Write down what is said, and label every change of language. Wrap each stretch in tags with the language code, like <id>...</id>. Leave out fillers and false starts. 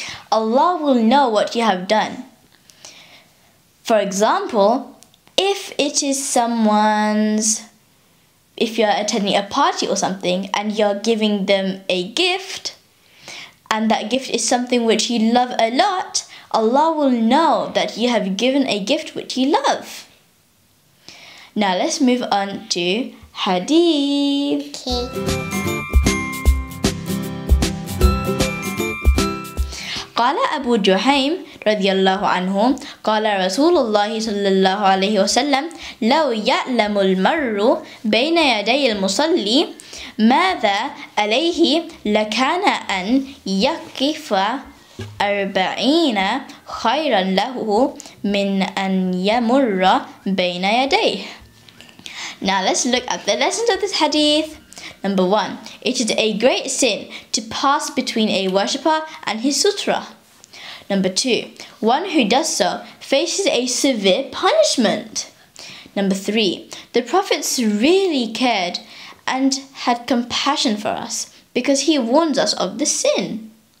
<en>Allah will know what you have done. For example, if it is someone's, if you're attending a party or something and you're giving them a gift and that gift is something which you love a lot, Allah will know that you have given a gift which you love. Now let's move on to hadith. Okay.</en> <ar>قال أبو جهيم رضي الله عنه قال رسول الله صلى الله عليه وسلم لو يعلم المرء بين يدي المصلي ماذا عليه لكان أن يقف أربعين خيرا له من أن يمر بين يديه.</ar> <en>Now let's look at the lessons of this hadith. Number one, it is a great sin to pass between a worshipper and his sutra. Number two, one who does so faces a severe punishment. Number three, the Prophet really cared and had compassion for us because he warns us of the sin.</en>